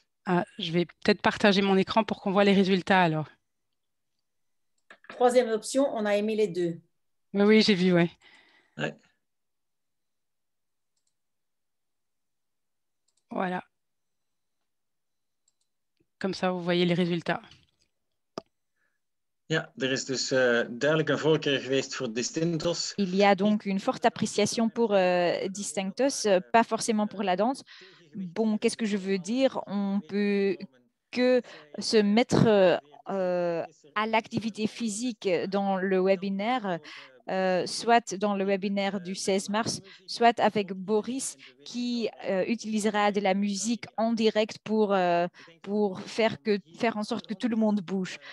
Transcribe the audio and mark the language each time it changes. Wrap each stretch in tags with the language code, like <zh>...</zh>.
<fr>Ah, je vais peut-être partager mon écran pour qu'on voit les résultats alors. Troisième option, on a aimé les deux. Oui, j'ai vu, ouais. Voilà. Comme ça, vous voyez les résultats.</fr> <nl>Ja, er is dus duidelijk een voorkeur geweest voor Distinctos.</nl> <fr>Il y a donc une forte appréciation pour Distinctos, pas forcément pour la danse. Bon, qu'est-ce que je veux dire? On peut que se mettre à l'activité physique dans le webinaire, soit dans le webinaire du 16 mars, soit avec Boris qui utilisera de la musique en direct pour faire en sorte que tout le monde bouge.</fr>